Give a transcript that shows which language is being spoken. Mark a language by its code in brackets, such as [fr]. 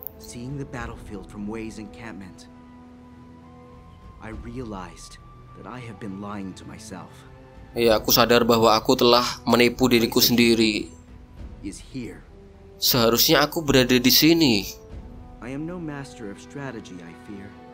[en] Seeing the battlefield from Wei's encampment, I realized that I have been lying to myself. [id] Iya, aku sadar bahwa aku telah menipu diriku sendiri. Seharusnya aku berada di sini. [en] I am no master of strategy, I fear.